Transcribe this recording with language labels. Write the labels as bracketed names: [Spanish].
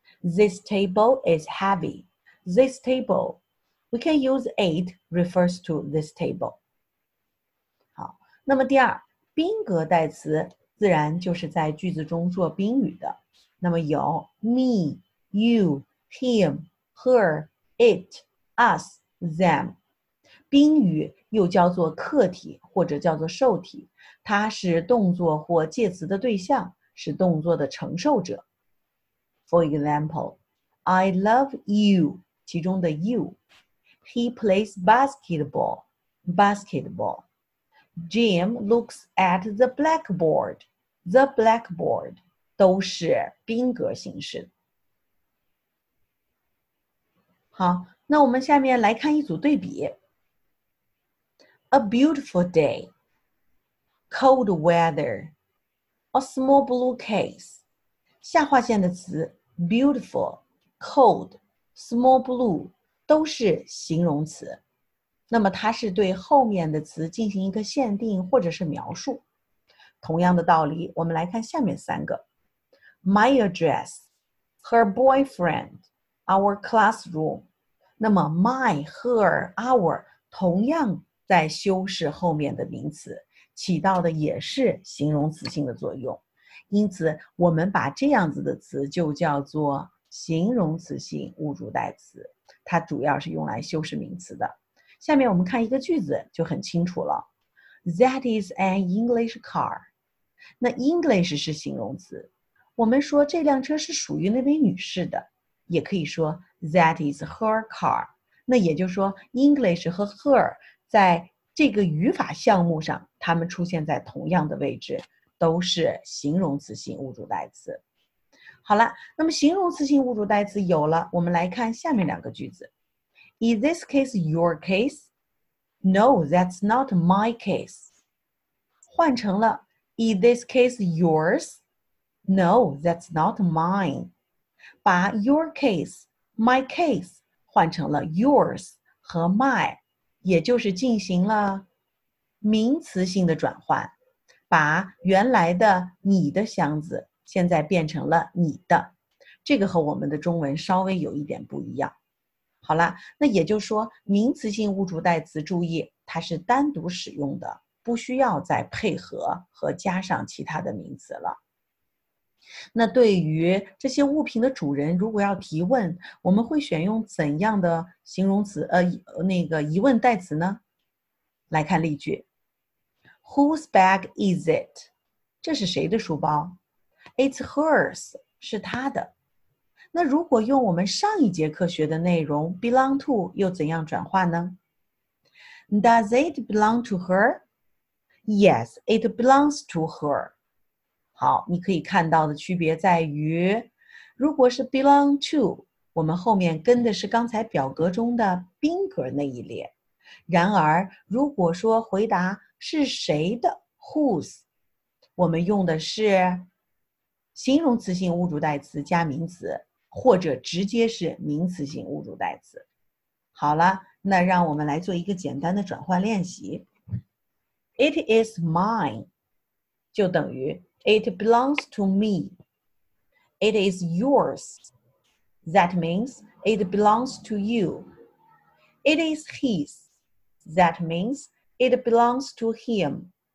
[English] This table is heavy, this table. We can use it refers to this table. [Chinese] 好，那么第二，宾格代词自然就是在句子中做宾语的。那么有 me, you, him, her, it, us, them。宾语又叫做客体或者叫做受体，它是动作或介词的对象，是动作的承受者。 [English] For example, I love you, [Chinese] 其中的 [English] you. He plays basketball, basketball. Jim looks at the blackboard, the blackboard. [Chinese] 都是宾格形式。好，那我们下面来看一组对比。 [English] A beautiful day, cold weather, a small blue case. [Chinese] 下划线的词 beautiful, cold, small blue 都是形容词。那么它是对后面的词进行一个限定或者是描述。同样的道理，我们来看下面三个。 [English] My address, her boyfriend, our classroom. [Chinese] 那么 my, her, our 同样在修饰后面的名词，起到的也是形容词性的作用。因此我们把这样子的词就叫做形容词性物主代词，它主要是用来修饰名词的。下面我们看一个句子就很清楚了。 [English] That is an English car. [Chinese] 那 English 是形容词，我们说这辆车是属于那位女士的，也可以说 [English] That is her car. [Chinese] 那也就是说 English 和 her 在这个语法项目上它们出现在同样的位置，都是形容词性物主代词。好了，那么形容词性物主代词有了，我们来看下面两个句子。 [English] Is this case your case? No, that's not my case. [Chinese] 换成了 [English] Is this case yours? No, that's not mine. [Chinese] 把 your case, my case 换成了 yours 和 my， 也就是进行了名词性的转换，把原来的你的箱子现在变成了你的，这个和我们的中文稍微有一点不一样。好了，那也就是说名词性物主代词，注意它是单独使用的，不需要再配合和加上其他的名词了。那对于这些物品的主人如果要提问，我们会选用怎样的形容词疑问代词呢？来看例句。 [English] Whose bag is it? [Chinese] 这是谁的书包？ [English] It's hers， [Chinese] 是她的。那如果用我们上一节课学的内容 belong to 又怎样转换呢？ Does it belong to her? Yes, it belongs to her. 好，你可以看到的区别在于，如果是 belong to， 我们后面跟的是刚才表格中的宾格那一列。然而如果说回答是谁的 whose， 我们用的是形容词性物主代词加名词，或者直接是名词性物主代词。好了，那让我们来做一个简单的转换练习。 [English] It is mine [Chinese] 就等于 [English] It belongs to me. It is yours. That means it belongs to you. It is his. That means it belongs to him.